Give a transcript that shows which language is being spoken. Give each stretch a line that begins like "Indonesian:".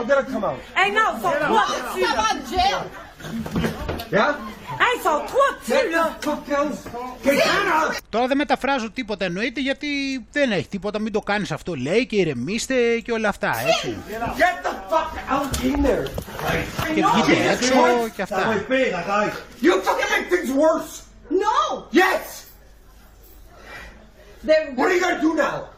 English: Come on. Hey, no, for what? Come on, Jim. I thought, what the hell?
Greek: Τώρα δεν μεταφράζω τίποτα, εννοείται, γιατί δεν έχει τίποτα, μην το κάνεις αυτό, λέει, και ηρεμήστε και όλα αυτά, έτσι.
English: Get the fuck out in there.
Greek: Και βγείτε έξω και αυτά.
English: You fucking make things worse. No. Yes. What are you gonna do now?